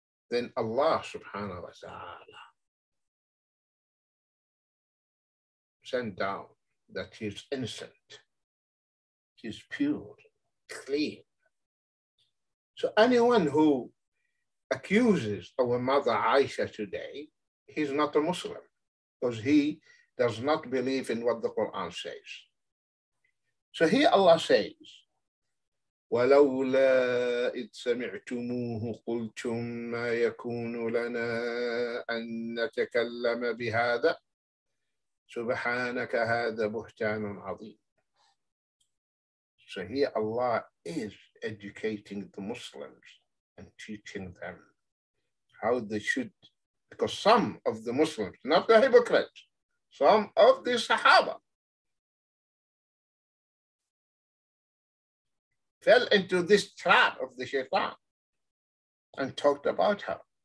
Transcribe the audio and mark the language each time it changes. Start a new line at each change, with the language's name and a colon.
English: Then Allah subhanahu wa ta'ala sent down that she's innocent. She's pure, clean. So anyone who accuses our mother Aisha today, he's not a Muslim, because he does not believe in what the Quran says. So here Allah says,
Arabic: ولولا إذ سمعتموه قلتم ما يكون لنا أن نتكلم بهذا سبحانك هذا بهتان عظيم.
English: So here Allah is educating the Muslims and teaching them how they should, because some of the Muslims, not the hypocrites, some of the Sahaba fell into this trap of the shaitan and talked about her.